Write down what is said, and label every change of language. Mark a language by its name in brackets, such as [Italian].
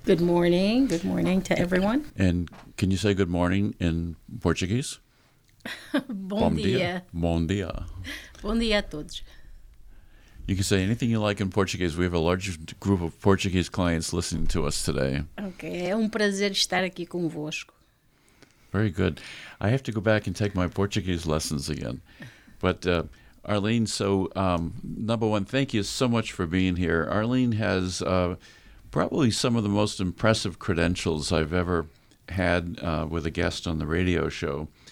[English] Good morning. Good morning to everyone. And can you say good morning in Portuguese? [Portuguese] Bom dia. Bom dia. Bom dia a todos. [English] You can say anything you like in Portuguese. We have a large group of Portuguese clients listening to us today. Okay. [Portuguese] É prazer estar aqui convosco. [English] Very good. I have to go back and take my Portuguese lessons again. But Arlene, so number one, thank you so much for being here. Arlene has probably some of the most impressive credentials I've ever had with a guest on the radio show.